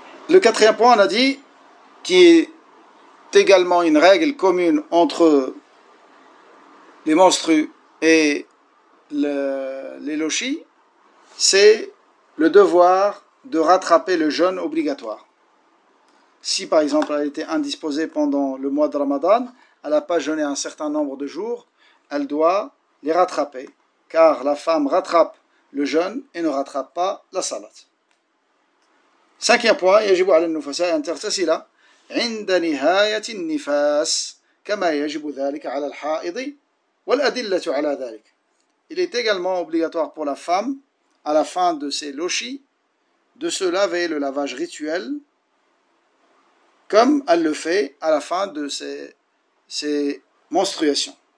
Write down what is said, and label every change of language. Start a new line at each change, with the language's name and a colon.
French: Le quatrième point, on a dit, qui est également une règle commune entre les menstrues et les logis, c'est le devoir de rattraper le jeûne obligatoire. Si par exemple elle était indisposée pendant le mois de Ramadan, elle n'a pas jeûné un certain nombre de jours, elle doit les rattraper, car la femme rattrape le jeûne et ne rattrape pas la salat. Cinquième point,
Arabic: يجب على النفساء أن تغتسل عند نهاية النفاس كما يجب ذلك على الحائض والأدلة على ذلك.
French: Il est également obligatoire pour la femme, à la fin de ses logis, de se laver le lavage rituel, comme elle le fait à la fin de ses menstruations.